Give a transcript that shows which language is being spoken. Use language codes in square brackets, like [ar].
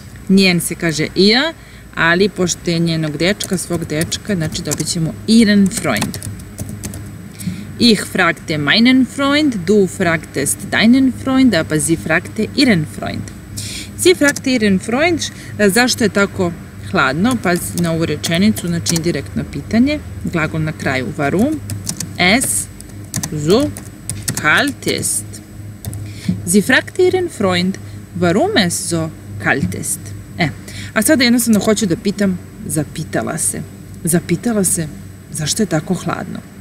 [sr] Njen se kaže ihr, ali pošto je njenog dečka, svog dečka, znači dobit ćemo [de] ihren Freund. Ich fragte meinen Freund, du fragtest deinen Freund, aber sie fragte ihren Freund. Sie fragte ihren Freund, [sr] zašto je tako hladno? Pazite na ovu rečenicu, znači indirektno pitanje. Glagol na kraju, warum? [de] Es so kalt ist. Sie fragte ihren Freund, warum es so kalt ist. [sr] A sada jednostavno hoću da pitam, zapitala se. Zapitala se, zašto je tako hladno?